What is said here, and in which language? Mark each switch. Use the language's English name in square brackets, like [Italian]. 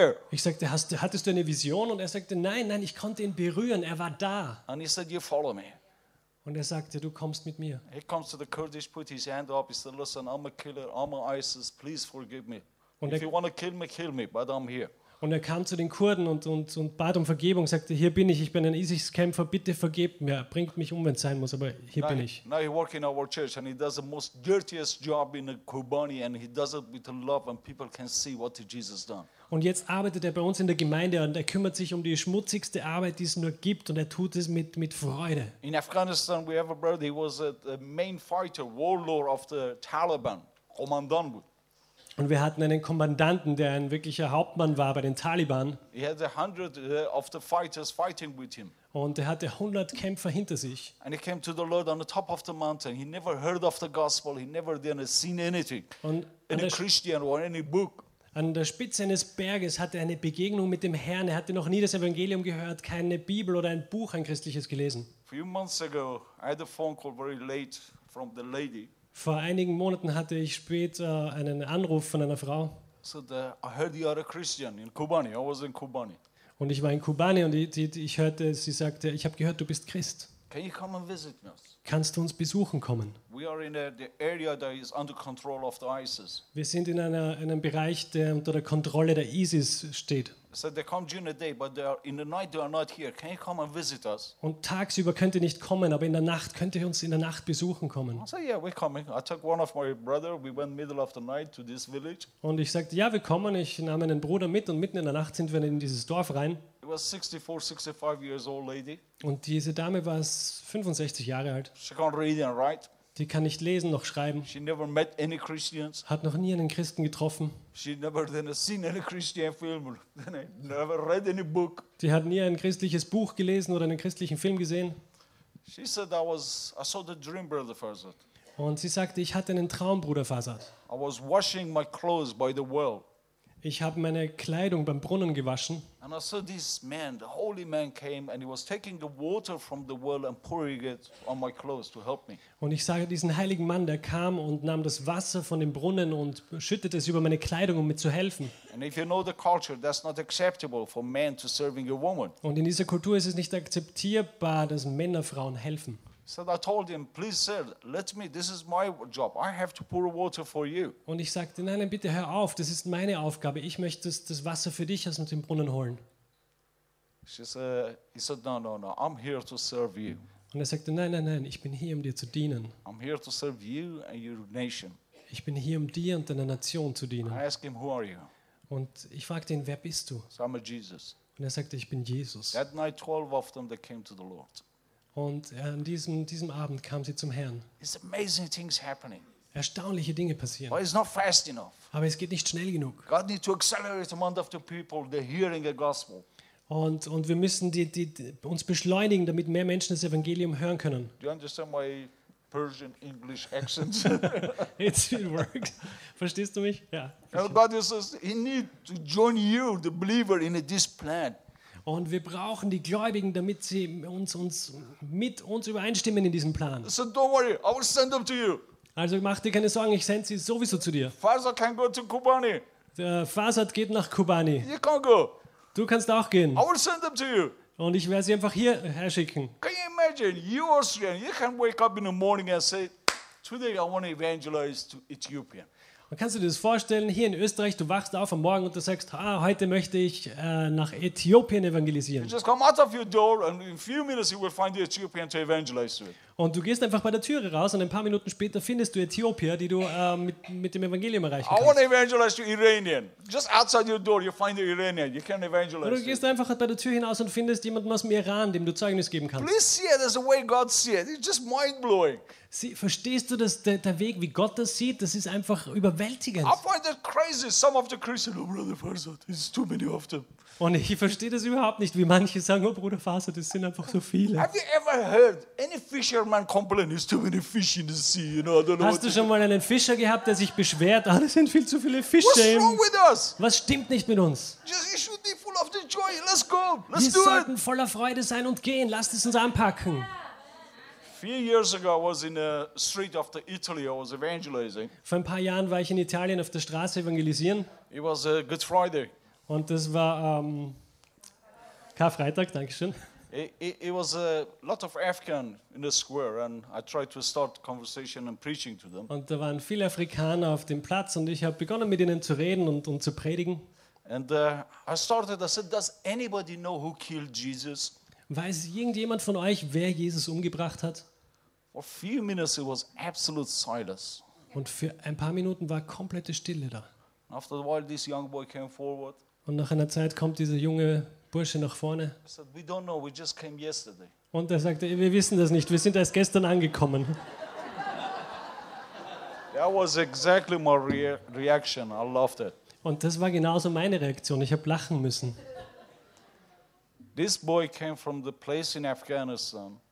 [German] Ich sagte, hattest du eine Vision? Und er sagte, nein, ich konnte ihn berühren, er war da. Und er sagte, [English] you follow me. [German] Und er sagte, du kommst mit mir. [English] He comes to the Kurdish, put his hand up, he said, listen, I'm a killer, I'm an ISIS, please forgive me. If you want to kill me, but I'm here. [German] Und er kam zu den Kurden und bat um Vergebung, sagte, hier bin ich bin ein ISIS-Kämpfer, bitte vergebt mir, bringt mich um, wenn es sein muss, aber hier bin ich. [English] Now he works in our church and he does the most dirtiest job in the Kobani and he does it with love and people can see what Jesus done. [German] Und jetzt arbeitet er bei uns in der Gemeinde und er kümmert sich um die schmutzigste Arbeit, die es nur gibt und er tut es mit Freude. [English] In Afghanistan we have a brother, he was the main fighter, warlord of the Taliban, Kommandant. [German] Und wir hatten einen Kommandanten, der ein wirklicher Hauptmann war bei den Taliban. [English] He had 100 of the fighters fighting with him. [German] Und er hatte 100 Kämpfer hinter sich. [English] And he came to the Lord on the top of the mountain. He never heard of the gospel. He never then seen anything. [German] Und [English] any Christian or any book. [German] An der Spitze eines Berges hatte er eine Begegnung mit dem Herrn. Er hatte noch nie das Evangelium gehört, keine Bibel oder ein Buch, ein christliches gelesen. [English] A few months ago, I had a phone call very late from the lady. [German] Vor einigen Monaten hatte ich spät einen Anruf von einer Frau. [English] So I heard you are a Christian in Kobani. I was in Kobani. [German] Und ich war in Kobani und ich hörte, sie sagte, ich habe gehört, du bist Christ. [English] Can you come and visit us? [German] Kannst du uns besuchen kommen? [English] We are in the area that is under control of the ISIS. [German] Wir sind in einem Bereich, der unter der Kontrolle der ISIS steht. [English] So they come during the day, but they are, in the night they are not here. Can you come and visit us? [German] Und tagsüber könnt ihr nicht kommen, aber in der Nacht könnt ihr uns in der Nacht besuchen kommen. [English] I said, yeah, we're coming. I took one of my brother. We went middle of the night to this village. [German] Und ich sagte, ja, wir kommen. Ich nahm einen Bruder mit und mitten in der Nacht sind wir in dieses Dorf rein. [English] It was 64-65 years old lady. [German] Und diese Dame war 65 Jahre alt. [English] She can't read and write. [German] Die kann nicht lesen noch schreiben. [English] She never met any Christians. [German] Hat noch nie einen Christen getroffen. [English] She never then seen any Christian film. Never read any book. [German] Die hat nie ein christliches Buch gelesen oder einen christlichen Film gesehen. [English] She said I saw the dream, Brother Farsad. [German] Und sie sagte, ich hatte einen Traum, Bruder Farsad. [English] I was washing my clothes by the well. [German] Ich habe meine Kleidung beim Brunnen gewaschen. [English] And I saw this man, the holy man came and he was taking the water from the well and pouring it on my clothes to help me. [German] Und ich sah diesen heiligen Mann, der kam und nahm das Wasser von dem Brunnen und schüttete es über meine Kleidung, um mir zu helfen. [English] And if you know the culture, that's not acceptable for men to serving a woman. [German] Und in dieser Kultur ist es nicht akzeptierbar, dass Männer Frauen helfen. [English] So I told him, please sir, let me, this is my job, I have to pour water for you. [German] Und ich sagte, nein, bitte hör auf, das ist meine Aufgabe, ich möchte das Wasser für dich aus dem Brunnen holen. [English] He said, no, I'm here to serve you. [German] Und er sagte, nein, ich bin hier, um dir zu dienen. [English] I'm here to serve you and your nation. [German] Ich bin hier, um dir und deiner Nation zu dienen. [English] I asked him, who are you? [German] Und ich fragte ihn, wer bist du? [English] So I'm a Jesus. [German] Und er sagte, ich bin Jesus. [English] That night 12 of them, they came to the Lord. [German] Und an diesem Abend kam sie zum Herrn. [English] It's amazing things happening. [German] Erstaunliche Dinge passieren. [English] But it's not fast enough. [German] Aber es geht nicht schnell genug. [English] God needs to accelerate among the people the hearing the gospel. [German] Und wir müssen uns beschleunigen, damit mehr Menschen das Evangelium hören können. [English] Do you understand my Persian English accent? It works. [German] Verstehst du mich? Ja. [English] God says he needs to join you, the believer, in this plan. [German] Und wir brauchen die Gläubigen, damit sie mit uns übereinstimmen in diesem Plan. [English] So don't worry, I will send them to you. [German] Also mach dir keine Sorgen, ich sende sie sowieso zu dir. [English] Farzad can go to Kobani. [German] Farzad geht nach Kobani. [English] You can go. [German] Du kannst auch gehen. [English] I will send them to you. [German] Und ich werde sie einfach hier her schicken. [English] Can you imagine, you Austrian, you can wake up in the morning and say, today I want to evangelize to Ethiopia. [German] Man kannst du dir das vorstellen, hier in Österreich, du wachst auf am Morgen und du sagst, ah, heute möchte ich nach Äthiopien evangelisieren. [English] You just come out of your door and in a few minutes you will find the Ethiopian to evangelize to. [German] Und du gehst einfach bei der Türe raus und ein paar Minuten später findest du Äthiopier, die du mit dem Evangelium erreichen kannst. [English] I want to evangelize to Iranian. Just outside your door you find the Iranian. You can evangelize. [German] Und du gehst einfach bei der Tür hinaus und findest jemanden aus dem Iran, dem du Zeugnis geben kannst. [English] Please see it as the way God sees it. It's just mind-blowing. [German] Verstehst du, dass der Weg, wie Gott das sieht, das ist einfach überwältigend. [English] I find it crazy. Some of the Christians, oh, Brother Farzad, it's too many of them. [German] Und ich verstehe das überhaupt nicht, wie manche sagen, oh, Bruder Farzad, das sind einfach so viele. [English] Have you ever heard any fisherman complain, there's too many fish in the sea? You know, I don't know. [German] Hast du schon mal einen Fischer gehabt, der sich beschwert, oh, das sind viel zu viele Fische? [English] What's wrong with us? [German] Was stimmt nicht mit uns? [English] You should be full of the joy. Let's go. Let's do it. [German] Wir sollten voller Freude sein und gehen. Lasst es uns anpacken. [English] Few years ago, I was in a street of the Italy. I was evangelizing. [German] Vor ein paar Jahren war ich in Italien auf der Straße evangelisieren. [English] It was a Good Friday. [German] Und das war Karfreitag. Dankeschön. [English] It was a lot of African in the square, and I tried to start conversation and preaching to them. [German] Und da waren viele Afrikaner auf dem Platz, und ich habe begonnen, mit ihnen zu reden und zu predigen. [English] And I started. I said, "Does anybody know who killed Jesus?" [German] Weiß irgendjemand von euch, wer Jesus umgebracht hat? [English] For a few minutes it was absolute silence. [German] Und für ein paar Minuten war komplette Stille da. [English] After a while, this young boy came forward. [German] Und nach einer Zeit kommt dieser junge Bursche nach vorne. [English] He said, "We don't know. We just came yesterday." [German] Und er sagte, wir wissen das nicht, wir sind erst gestern angekommen. [English] That was exactly my reaction. I loved it. [German] Und das war genauso meine Reaktion, ich habe lachen müssen. [English] This boy came from the place in Afghanistan.